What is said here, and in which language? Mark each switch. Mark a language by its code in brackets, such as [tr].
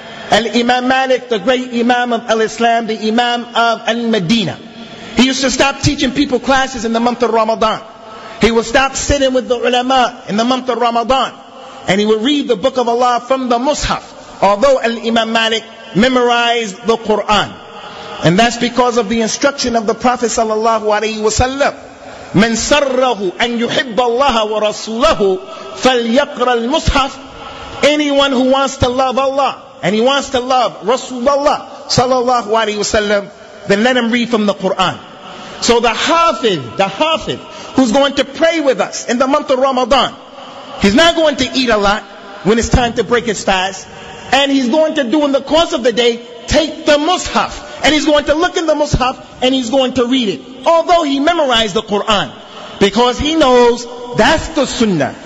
[en] Al-Imam Malik, the great Imam of Al-Islam, the Imam of Al-Medina, he used to stop teaching people classes in the month of Ramadan. He would stop sitting with the ulama in the month of Ramadan, and he would read the book of Allah from the Mus'haf, although Al-Imam Malik memorized the Quran. And that's because of the instruction of the Prophet sallallahu alaihi wasallam. [ar] من سره أن يحب الله ورسوله فليقرأ المصحف. [en] Anyone who wants to love Allah and he wants to love Rasulullah sallallahu alaihi wasallam, then let him read from the Quran. So the hafiz who's going to pray with us in the month of Ramadan, he's not going to eat a lot when it's time to break his fast, and he's going to do in the course of the day take the mushaf, and he's going to look in the mushaf and he's going to read it, although he memorized the Quran, because he knows that's the sunnah.